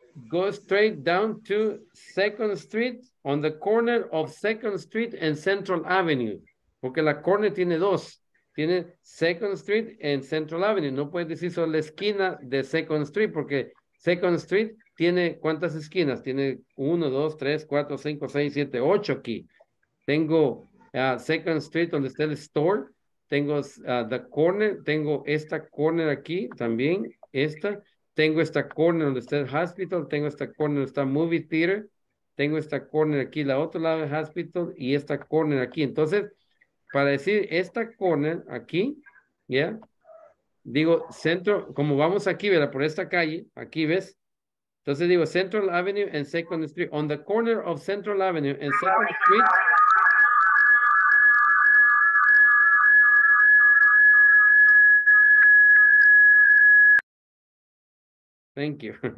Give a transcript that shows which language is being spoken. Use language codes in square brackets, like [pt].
[en] Go straight down to Second Street on the corner of Second Street and Central Avenue. [es] Porque la corner tiene dos. Tiene Second Street and Central Avenue. No puedes decir solo la esquina de Second Street porque Second Street tiene ¿cuántas esquinas? Tiene 1, 2, 3, 4, 5, 6, 7, 8 aquí. Tengo Second Street donde está el store. Tengo [en] the corner. [es] Tengo esta corner aquí también. esta, tengo esta corner donde está el hospital, tengo esta corner donde está movie theater, tengo esta corner aquí, la otro lado del hospital, y esta corner aquí. Entonces, para decir esta corner aquí, ya, yeah, digo centro, como vamos aquí, ¿verdad? Por esta calle, aquí ves. Entonces digo Central Avenue and Second Street. [en] On the corner of Central Avenue and Second Street. Thank you.